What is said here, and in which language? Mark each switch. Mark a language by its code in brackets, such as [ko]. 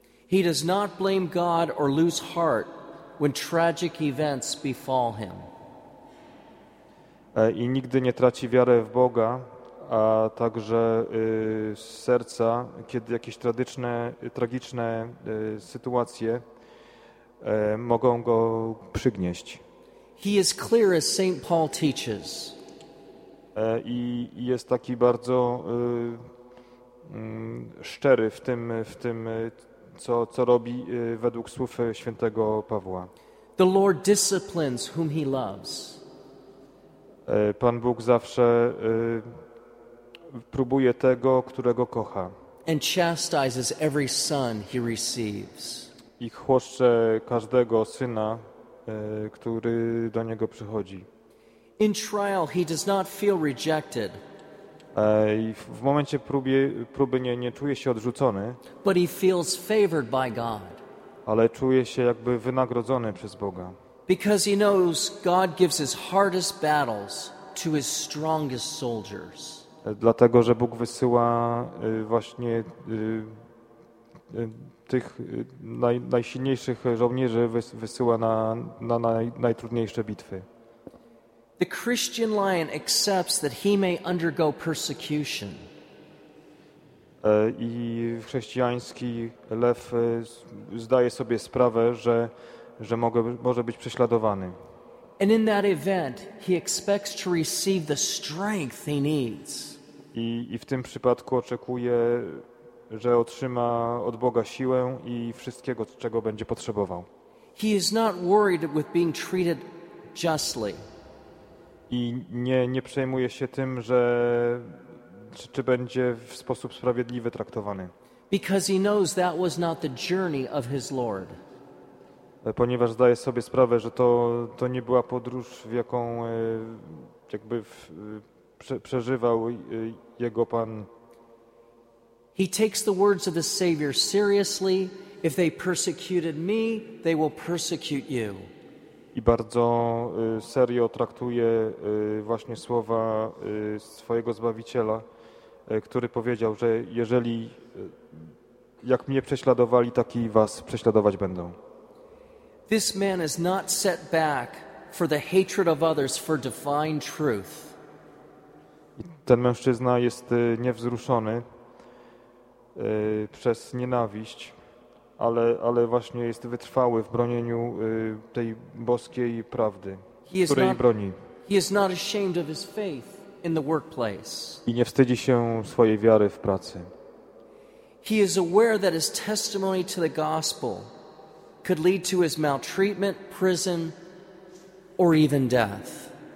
[en] He does not blame God or lose heart when tragic events befall him. [pl] I nigdy nie traci wiary w Boga, a także z serca, kiedy jakieś tragiczne sytuacje mogą go przygnieść. [en] He is clear as Saint Paul teaches. [pl] I jest taki bardzo szczery w tym co robi według słów świętego Pawła. [en] The Lord disciplines whom he loves. [pl] Pan Bóg zawsze próbuje tego, którego kocha. [en] And chastises every son he receives. [pl] I chłoszcze każdego syna, który do niego przychodzi. [en] In trial he does not feel rejected. [pl] W momencie próby nie czuje się odrzucony. [en] But he feels favored by God. [pl] Ale czuje się jakby wynagrodzony przez Boga. [en] Because he knows God gives his hardest battles to his strongest soldiers. [pl] Dlatego, że Bóg wysyła właśnie tych najsilniejszych żołnierzy wysyła na najtrudniejsze bitwy. [en] The Christian lion accepts that he may undergo persecution. [pl] I chrześcijański lew zdaje sobie sprawę, że może być prześladowany. [en] And in that event he expects to receive the strength he needs. [pl] I w tym przypadku oczekuje, że otrzyma od Boga siłę i wszystkiego, czego będzie potrzebował. [en] He is not worried with being treated justly. [pl] I nie przejmuje się tym, że czy będzie w sposób sprawiedliwy traktowany. [en] Because he knows that was not the journey of his Lord. [pl] Ponieważ zdaje sobie sprawę, że to nie była podróż, w jaką jakby przeżywał jego Pan. [en] He takes the words of his Savior seriously. If they persecuted me, they will persecute you. [pl] I bardzo serio traktuje właśnie słowa swojego Zbawiciela, który powiedział, że jeżeli jak mnie prześladowali, tak i was prześladować będą. [en] This man is not set back for the hatred of others for divine truth. [pl] Ten mężczyzna jest niewzruszony przez nienawiść, ale właśnie jest wytrwały w bronieniu tej boskiej prawdy, której broni. [en] He is not ashamed of his faith in the workplace. [pl] I nie wstydzi się swojej wiary w pracy. [en] He is aware that his testimony to the gospel could lead to his maltreatment, prison, or even death.